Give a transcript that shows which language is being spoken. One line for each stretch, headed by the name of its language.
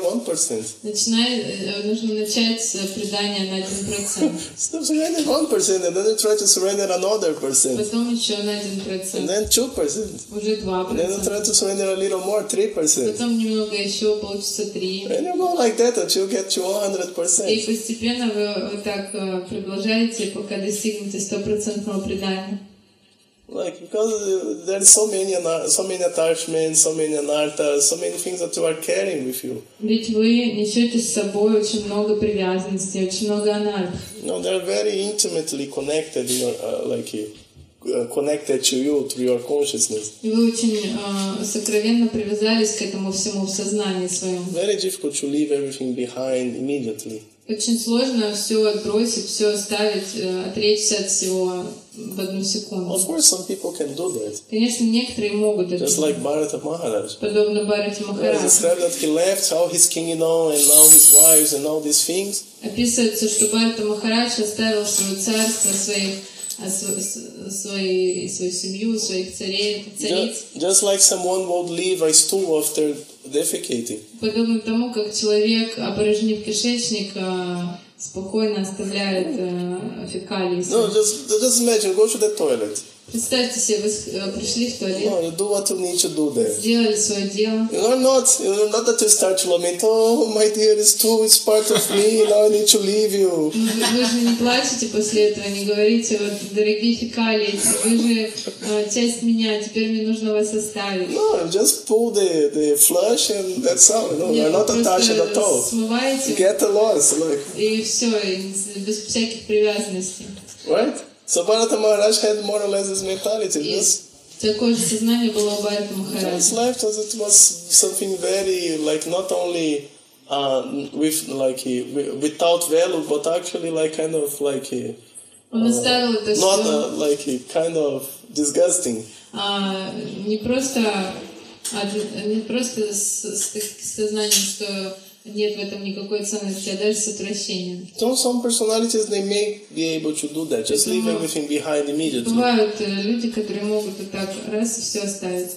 Russian: Нужно начать с предания на 1%.
English: Stop surrendering 1%, and then you try to surrender another percent.
Russian: Потом еще на 1%.
English: And then 2%.
Russian: Уже 2%.
English: Then you try to surrender a little more, 3%.
Russian: Потом немного еще, получится 3%.
English: And you go like that until you get to 100%.
Russian: И постепенно вы так продолжаете, пока достигнете 100% предания.
English: Like, because there's so many attachments, so many anarthas, so many things that you are carrying with you.
Russian: Ведь вы несете с собой очень много привязанностей, очень много анарх.
English: No, they're very intimately connected, in your, connected to you through your consciousness.
Russian: И вы очень сокровенно привязались к этому всему в сознании своем.
English: Very difficult to leave everything behind immediately.
Russian: Очень сложно все отбросить, все оставить, отречься от всего. В одну секунду.
English: Of course, some people can do that.
Russian: Конечно, некоторые могут это.
English: Just like Bharata Maharaj.
Russian: Подобно Бхарате Махараджу.
English: It's described that he left all his kingdom and all his wives and all these things.
Russian: Описывается, что Бхарата Махарадж оставил свое царство, свою семью, своих цариц.
English: Just like someone would leave a stool after defecating.
Russian: Подобно тому, как человек, опорожнив кишечник, спокойно оставляет фекалии.
English: No, just imagine, go to the toilet.
Russian: Представьте себе, вы пришли в туалет.
English: No, you do what you need to do there.
Russian: Сделали свое дело.
English: You're not that you start to lament, oh, my dear, it's too, it's part of me, now I need to leave you.
Russian: Вы же не плачете после этого, не говорите, вот, дорогие фекалии, вы же часть меня, теперь мне нужно вас оставить.
English: No, just pull the flush and that's all. No, you're not attached at all.
Russian: Смываете.
English: Get the loss, like.
Russian: И все, без всяких привязанностей.
English: Right? So Bharata Maharaj had more or less this mentality. Yes.
Russian: Такое же сознание было у Бхарата Махараджа.
English: His life was, it was something very like not only with like without value, but actually like kind of like not disgusting.
Russian: Не просто сознанием, что нет в этом никакой ценности, а даже с отвращением.
English: So some personalities they may be able to do that, just leave everything behind immediately.
Russian: Бывают люди, которые могут вот так раз и все оставить.